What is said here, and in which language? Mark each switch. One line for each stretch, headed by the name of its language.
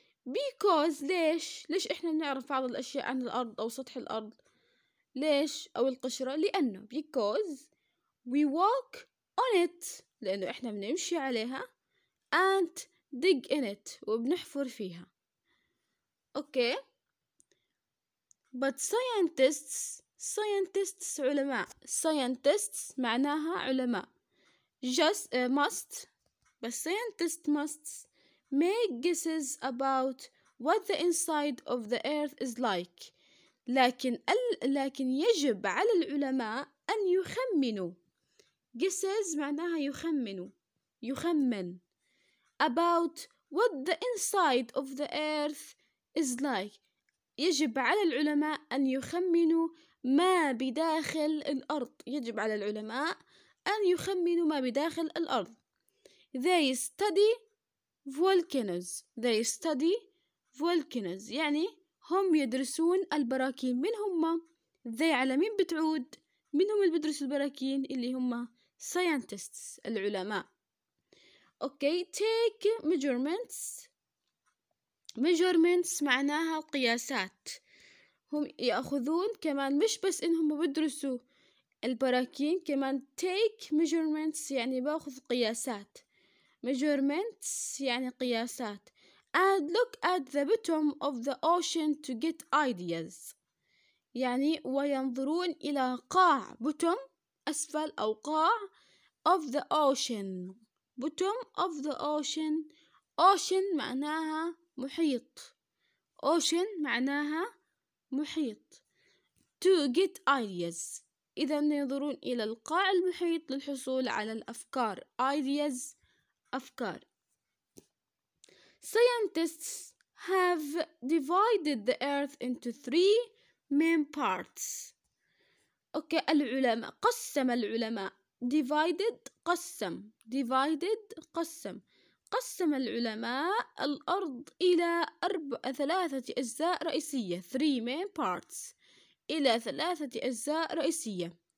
Arabic: because ليش؟ ليش إحنا بنعرف بعض الأشياء عن الأرض أو سطح الأرض؟ ليش؟ أو القشرة؟ لأنه
English: because we walk on it,
Arabic: لأنه إحنا بنمشي عليها,
English: and dig in it,
Arabic: وبنحفر فيها.
English: Okay, but scientists, scientists علماء, scientists
Arabic: معناها علماء,
English: just must, but scientists must make guesses about what the inside of the earth is like.
Arabic: لكن يجب على العلماء أن يخمنوا. guesses معناها يخمن, يخمن.
English: about what the inside of the earth is like.
Arabic: يجب على العلماء أن يخمنوا ما بداخل الأرض. يجب على العلماء أن يخمنوا ما بداخل الأرض.
English: they study volcanoes. they study volcanoes.
Arabic: يعني هم يدرسون البراكين. من هم؟ they على مين بتعود؟ من هم اللي بدرسوا البراكين؟ اللي هم scientists العلماء.
English: okay, take measurements.
Arabic: measurements معناها القياسات. هم يأخذون كمان, مش بس إنهم بدرسوا البراكين, كمان
English: take measurements
Arabic: يعني بأخذ قياسات. measurements يعني قياسات.
English: and look at the bottom of the ocean to get ideas.
Arabic: يعني وينظرون إلى قاع,
English: bottom
Arabic: أسفل أو قاع
English: of the ocean, bottom of the ocean.
Arabic: ocean معناها محيط. ocean معناها محيط.
English: to get ideas,
Arabic: إذا ينظرون إلى القاع المحيط للحصول على الأفكار. ideas أفكار.
English: scientists have divided the earth into three main parts.
Arabic: okay, العلماء قسم, العلماء divided قسم, divided قسم. قسم العلماء الأرض إلى أربع, ثلاثة أجزاء رئيسية.
English: three main parts,
Arabic: إلى ثلاثة أجزاء رئيسية.